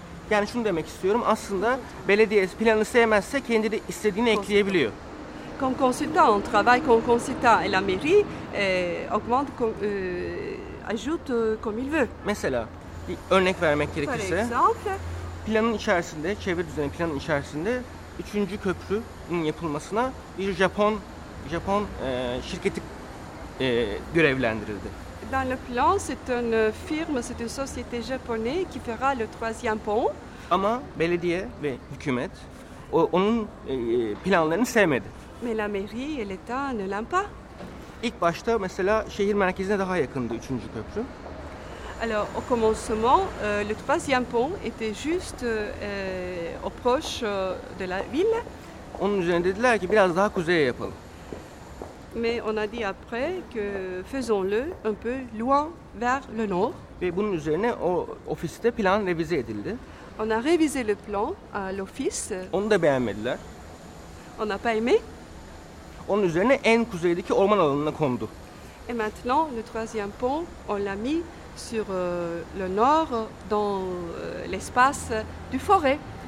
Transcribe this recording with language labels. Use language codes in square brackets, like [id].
[tr] Yani şunu demek istiyorum, aslında belediye planı sevmezse kendi de istediğini ekleyebiliyor. [fr] Comme consultant, on travaille comme consultant et la mairie augmente, ajoute comme il veut. [tr] Mesela, bir örnek vermek gerekirse, planın içerisinde, çevre düzeni planın içerisinde 3. köprünün yapılmasına bir Japon şirketi görevlendirildi. [fr] Dans le plan, c'est une firme, c'est une société japonaise qui fera le troisième pont. [tr] Ama belediye ve hükümet onun planlarını sevmedi. [fr] Mais la mairie et l'État ne l'aiment pas. [tr] İlk başta mesela şehir merkezine daha yakındı 3. köprü. [fr] Alors au commencement, le troisième pont était juste au proche de la ville. [tr] Onun üzerine dediler ki biraz daha kuzeye yapalım. [fr] Mais on a dit après que faisons-le un peu loin vers le nord. [tr] Ve bunun üzerine o ofiste plan revize edildi. [fr] On a révisé le plan à l'office. [tr] Onu da beğenmediler. [fr] On n'a pas aimé. [tr] Onun üzerine en kuzeydeki orman alanına kondu. [fr] Et maintenant le troisième pont, on l'a mis sur le nord dans l'espace du forêt.